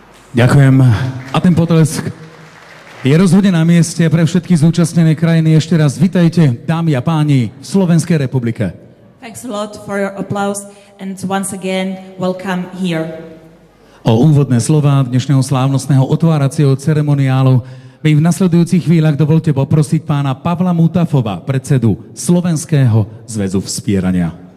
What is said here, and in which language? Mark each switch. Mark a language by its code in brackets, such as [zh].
[sk] Ďakujem. A ten potlesk je rozhodne na mieste pre všetky zúčastnené krajiny. Ešte raz vitajte, dámy a páni, v Slovenskej republike. [en] Thanks a lot for your applause and once again welcome here. [sk] O úvodné slova dnešného slávnostného otváracieho ceremoniálu mi v nasledujúcich chvíľach dovolte poprosiť pána Pavla Mutafova, predsedu Slovenského zväzu vzpierania.